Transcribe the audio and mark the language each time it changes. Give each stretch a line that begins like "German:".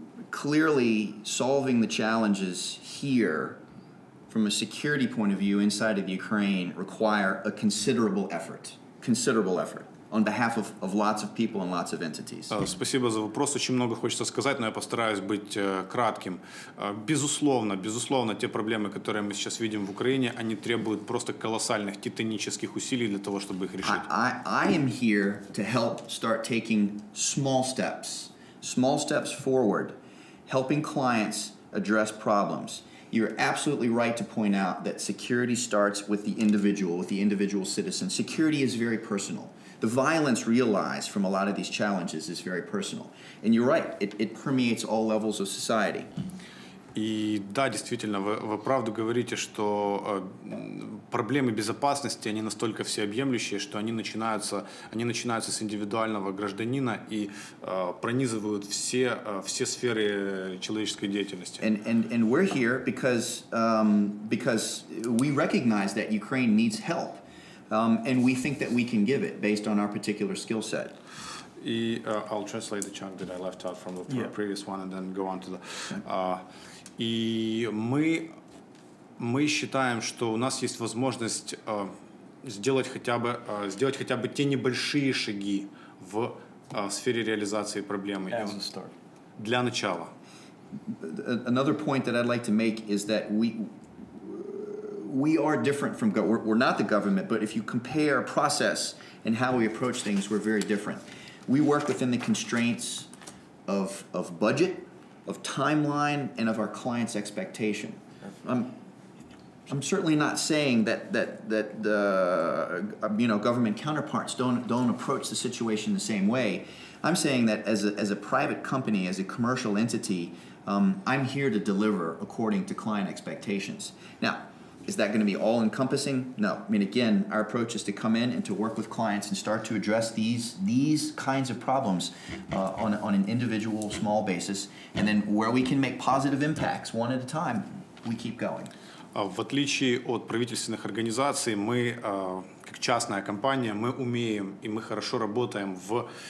English: Clearly, solving the challenges here from a security point of view inside of Ukraine require a considerable effort. On behalf of lots of people and lots of entities.
Russian: Спасибо за вопрос. Очень много хочется сказать, но я постараюсь быть кратким. Безусловно, те проблемы, которые мы сейчас видим в Украине, они требуют просто колоссальных титанических усилий для того, чтобы их решить.
English: I am here to help start taking small steps forward, helping clients address problems. You're absolutely right to point out that security starts with the individual citizen. Security is very personal. The violence realized from a lot of these challenges is very personal. And you're right, it permeates all levels of society.
Russian: И да, действительно, вы правду говорите, что проблемы безопасности, они настолько всеобъемлющие, что они начинаются с индивидуального гражданина и пронизывают все сферы человеческой деятельности.
English: And we're here because we recognize that Ukraine needs help. And we think that we can give it based on our particular skill set. И I'll translate the chunk that I left out from the previous one and then go on to the...
Russian: И мы считаем, что у нас есть возможность сделать хотя бы те небольшие шаги в сфере реализации проблемы.
English: As a start.
Russian: Для начала.
English: Another point that I'd like to make is that we are different from we're not the government, but if you compare process and how we approach things, we're very different. We work within the constraints of budget, of timeline, and of our clients' expectation. I'm certainly not saying that the government counterparts don't approach the situation the same way. I'm saying that as a private company, as a commercial entity, I'm here to deliver according to client expectations. Now, is that going to be all-encompassing? No. I mean, again, our approach is to come in and to work with clients and start to address these kinds of problems on an individual, small basis. And then where we can make positive impacts one at a time, we keep going.
Russian: В отличие от правительственных организаций, мы, как частная компания, мы умеем и мы хорошо работаем в...